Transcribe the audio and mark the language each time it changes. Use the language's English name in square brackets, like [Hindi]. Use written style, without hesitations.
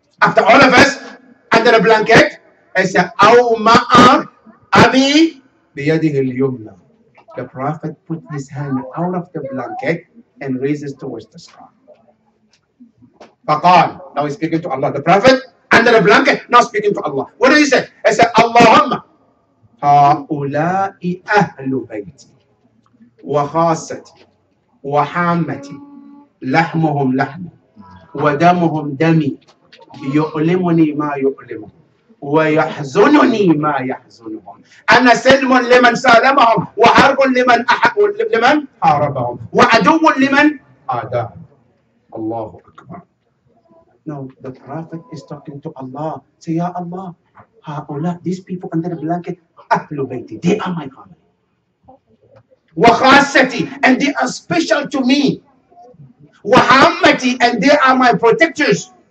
[English] After all of us, under the blanket, I said, [Arabic] أَوْ مَأَ أَبِي بِيَدِهِ الْيُمْنَى. [English] The Prophet put his hand out of the blanket and raises towards the sky. [Arabic] فَقَال. [English] Now he's speaking to Allah. The Prophet, under the blanket, now speaking to Allah. What did he say? I said, [Arabic] اللهم هؤلاء أهل بيتي وخاصتي وحامتي لحمهم لحمي ودمهم دمي يؤلمني ما يؤلمهم ويحزنني ما يحزنهم. أنا سلم لمن سالمهم وحرب لمن أحق لمن حاربهم وعدو لمن أعداء. الله أكبر. [English] No, the prophet is talking to Allah. Say, Ya Allah, [Arabic] هؤلاء, [English] these people under the blanket, [Arabic] أهل بيتي, [English] they are my family. [Arabic] وخاصتي, [English] and they are special to me. [Arabic] وحمتي, [English] and they are my protectors.